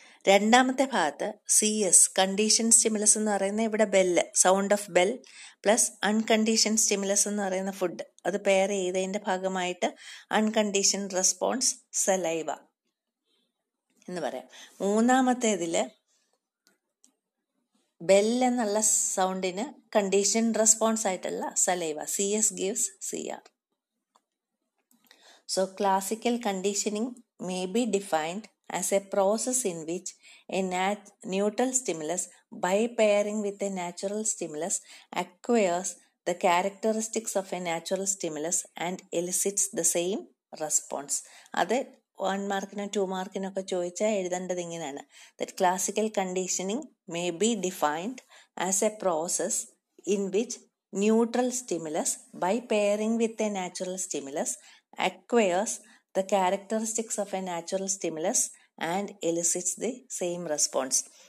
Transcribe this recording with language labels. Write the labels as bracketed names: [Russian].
[Malayalam] രണ്ടാമത്തെ ഭാഗത്ത് C S condition stimulus എന്ന് പറയുന്ന ഇവിടെ bell, sound of bell plus unconditioned stimulus എന്ന് പറയുന്ന ഫുഡ്, അത് പെയർ ചെയ്തതിൻ്റെ ഭാഗമായിട്ട് അൺകണ്ടീഷൻ റെസ്പോൺസ് സലൈവ എന്ന് പറയാം. മൂന്നാമത്തേതിൽ ബെൽ എന്നുള്ള സൗണ്ടിന് കണ്ടീഷൻ റെസ്പോൺസ് ആയിട്ടുള്ള saliva [English] C S gives C R. So classical conditioning may be defined as a process in which a neutral stimulus, by pairing with a natural stimulus, acquires the characteristics of a natural stimulus and elicits the same response. [Malayalam] അത് one മാർക്കിനോ to മാർക്കിനൊക്കെ ചോദിച്ചാൽ എഴുതേണ്ടത് ഇങ്ങനെയാണ്. [English] That classical conditioning may be defined as a process in which neutral stimulus by pairing with a natural stimulus acquires the characteristics of a natural stimulus and elicits the same response.